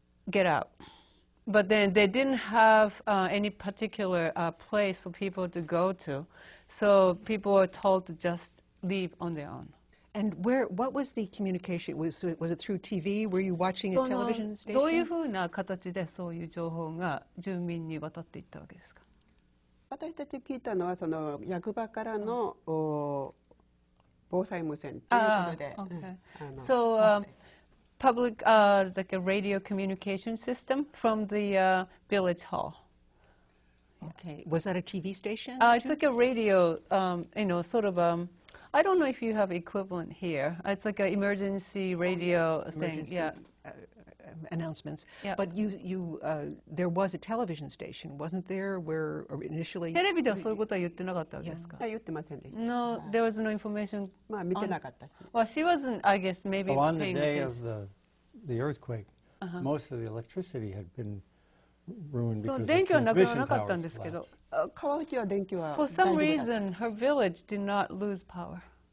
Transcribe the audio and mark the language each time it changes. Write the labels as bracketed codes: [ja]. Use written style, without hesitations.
[en] get out. But then they didn't have any particular place for people to go to, so people were told to just leave on their own. And where? What was the communication? Was it through TV? Were you watching a television station? [ja] どういうふうな形でそういう情報が住民に渡っていったわけですか？私たち聞いたのはその役場からの防災無線ということ [en] で。So public like a radio communication system from the village hall. Okay. Was that a TV station? It's like a radio, you know, sort of. I don't know if you have equivalent here. It's like an emergency radio thing. Yeah. Announcements. Yeah. But you there was a television station, wasn't there, where initially... [ja] テレビではそういうことは言ってなかったわけですか？言ってませんでした。 [en] No, there was no information. [ja] まあ見てなかったし。 [en] Well, she wasn't, I guess, maybe paying attention. On the day of the earthquake, most of the electricity had been ruined because the transmission towers left. [ja] 電気はなくなかったんですけど。川内は電気は大丈夫だった。 [en] For some reason, her village did not lose power.